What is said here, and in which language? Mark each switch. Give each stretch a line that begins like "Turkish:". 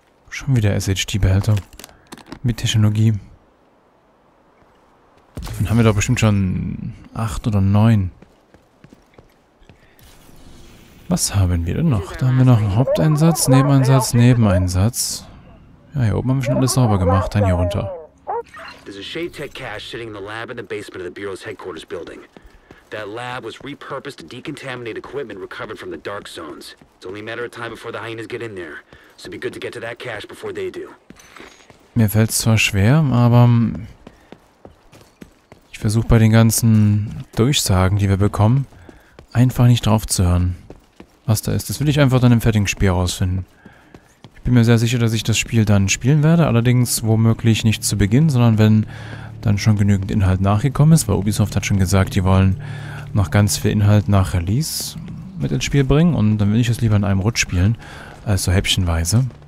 German: Schon wieder SHD-Behälter. Mit Technologie. Dann haben wir doch bestimmt schon 8 oder 9. Was haben wir denn noch? Da haben wir noch einen Haupteinsatz, Nebeneinsatz, Nebeneinsatz. Ja, hier oben haben wir schon alles sauber gemacht, dann hier runter.
English: There's a Shade Tech cache sitting in the lab in the basement of the Bureau's headquarters building. That lab was repurposed to decontaminate equipment recovered from the dark zones. It's only a matter of time before the hyenas get in there. So be good to get to that cache before they do.
German: Mir fällt's zwar schwer, aber ich versuche bei den ganzen Durchsagen, die wir bekommen, einfach nicht drauf zu hören. Was da ist, das will ich einfach dann im fertigen Spiel rausfinden. Ich bin mir sehr sicher, dass ich das Spiel dann spielen werde, allerdings womöglich nicht zu Beginn, sondern wenn dann schon genügend Inhalt nachgekommen ist, weil Ubisoft hat schon gesagt, die wollen noch ganz viel Inhalt nach Release mit ins Spiel bringen und dann will ich es lieber in einem Rutsch spielen, als so häppchenweise.